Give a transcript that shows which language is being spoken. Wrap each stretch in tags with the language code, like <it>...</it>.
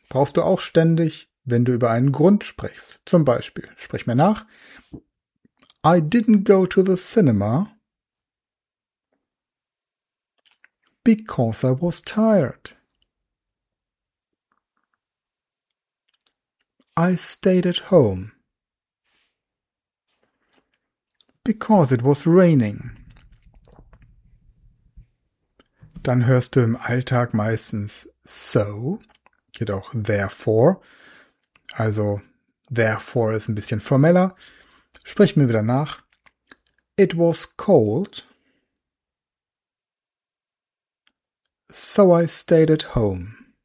<de>Brauchst du auch ständig, wenn du über einen Grund sprichst. Zum Beispiel, sprich mir nach.</de> <en>I didn't go to the cinema because I was tired. I stayed at home because it was raining.</en> <de>Dann hörst du im Alltag meistens so, geht auch therefore. Also therefore ist ein bisschen formeller. Sprich mir wieder nach.</de> <en>It was cold, so I stayed at home.</en>